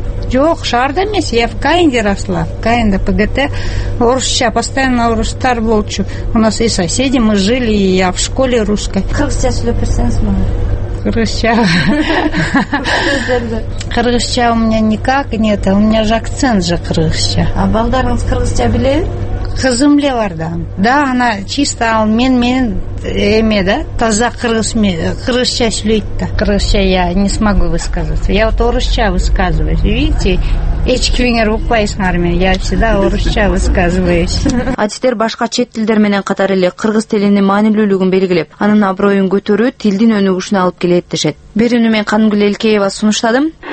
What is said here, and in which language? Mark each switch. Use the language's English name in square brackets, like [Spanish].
[Kyrgyz] Жок, шаарда эмес, [Russian] я в Каинде росла, в Каинде ПГТ. [Kyrgyz] Орусча, [Russian] постоянно [Kyrgyz] орустар болчу. [Russian] У нас и соседи, мы жили, и я в школе русской. [Kyrgyz] Кыргызча сүйлөп берсеңиз мага. Кыргызча [Russian] у меня никак нет, у меня же акцент же [Kyrgyz] кыргызча. А балдарыңыз кыргызча биле? Кызым эле бар да. [Russian] Да, она чисто, [Kyrgyz] ал мен эме да, таза кыргызча сүйлөйт да. Кыргызча [Russian] я не смогу высказаться. Я вот [Kyrgyz] орусча [Russian] высказываюсь. Видите, [Kyrgyz] эч кимиңер укпайсыңар мен. [Russian] Я всегда [Kyrgyz] орусча [Russian] высказываюсь. [Kyrgyz] Адистер башка чет тилдер менен катар эле кыргыз тилинин маанилүүлүгүн белгилеп, анын аброюн көтөрүү тилдин өнүгүшүнө алып келет дешет. Бир үнү мен Кангүл Элкеева сунуштадым.